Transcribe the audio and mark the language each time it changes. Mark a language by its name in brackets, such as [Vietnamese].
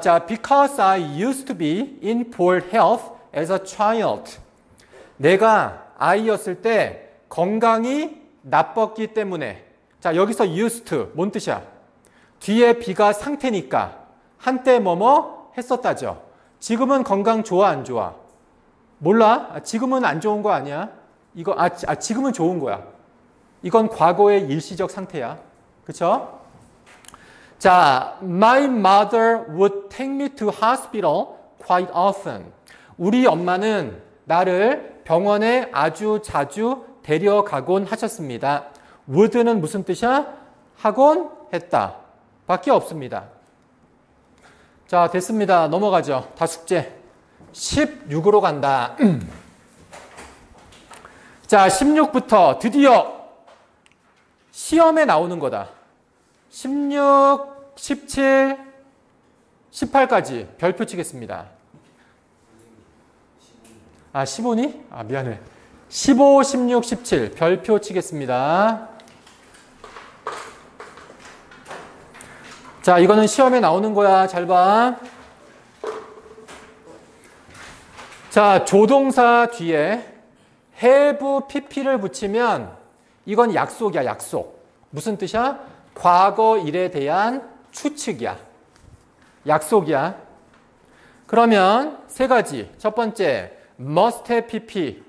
[English] 자, because I used to be in poor health as a child. [Korean] 내가 아이였을 때 건강이 나빴기 때문에. 자, 여기서 used to 뭔 뜻이야? 뒤에 be가 상태니까 한때 뭐뭐 했었다죠. 지금은 건강 좋아 안 좋아? 몰라. 지금은 안 좋은 거 아니야. 이거 지금은 좋은 거야. 이건 과거의 일시적 상태야. 그렇죠? [English] 자, my mother would take me to hospital quite often. [Korean] 우리 엄마는 나를 병원에 아주 자주 데려가곤 하셨습니다. would는 무슨 뜻이야? 하곤 했다. 밖에 없습니다. 자, 됐습니다. 넘어가죠. 다 숙제. 16으로 간다. 자, 16부터 드디어 시험에 나오는 거다. 16, 17, 18까지 별표 치겠습니다. 아, 15니? 아, 미안해. 15, 16, 17 별표 치겠습니다. 자, 이거는 시험에 나오는 거야. 잘 봐. 자, 조동사 뒤에 have pp를 붙이면 이건 약속이야, 약속. 무슨 뜻이야? 과거 일에 대한 추측이야. 약속이야. 그러면 세 가지. 첫 번째, must have pp.